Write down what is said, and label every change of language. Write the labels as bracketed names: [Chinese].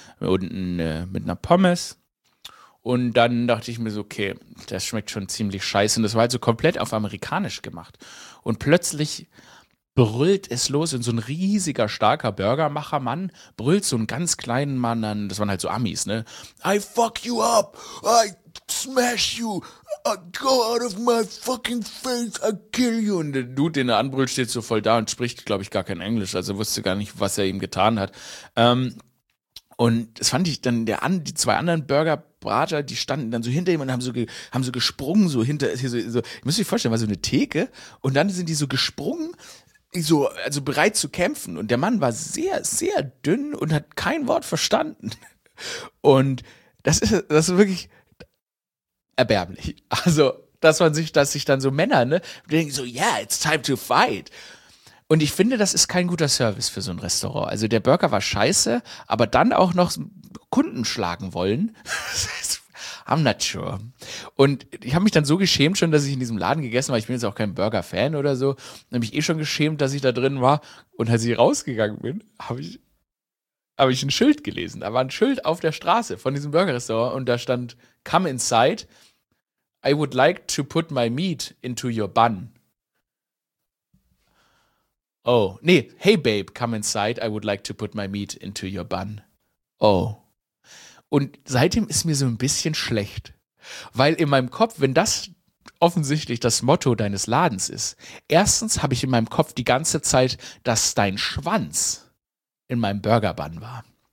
[German] unten mit einer Pommes. Und dann dachte ich mir so, okay, das schmeckt schon ziemlich scheiße. Und das war halt so komplett auf amerikanisch gemacht. Und plötzlich brüllt es los und so ein riesiger, starker Burgermacher-Mann brüllt so einen ganz kleinen Mann an, das waren halt so Amis, ne? [English] I fuck you up! I smash you! I go out of my fucking face! I kill you! [German] Und der Dude, den er anbrüllt, steht so voll da und spricht, glaube ich, gar kein Englisch, also wusste gar nicht, was er ihm getan hat. Und das fand ich dann, die zwei anderen Burger-Brater, die standen dann so hinter ihm und haben so gesprungen, so hinter, hier so, ich muss mich vorstellen, war so eine Theke und dann sind die so gesprungen, so, also bereit zu kämpfen. Und der Mann war sehr, sehr dünn und hat kein Wort verstanden. Und das ist wirklich erbärmlich. Also, dass sich dann so Männer, ne, denken so, [English] yeah, it's time to fight. [German] Und ich finde, das ist kein guter Service für so ein Restaurant. Also, der Burger war scheiße, aber dann auch noch Kunden schlagen wollen. [English] I'm not sure. [German] Und ich habe mich dann so geschämt schon, dass ich in diesem Laden gegessen habe. Ich bin jetzt auch kein Burger-Fan oder so. Dann habe ich eh schon geschämt, dass ich da drin war. Und als ich rausgegangen bin, habe ich ein Schild gelesen. Da war ein Schild auf der Straße von diesem Burger-Restaurant. Und da stand, [English] come inside. I would like to put my meat into your bun. [German] Oh, nee. [English] Hey, babe, come inside. I would like to put my meat into your bun. Oh. [German] Und seitdem ist mir so ein bisschen schlecht, weil in meinem Kopf, wenn das offensichtlich das Motto deines Ladens ist, erstens habe ich in meinem Kopf die ganze Zeit, dass dein Schwanz in meinem Burger-Bun war.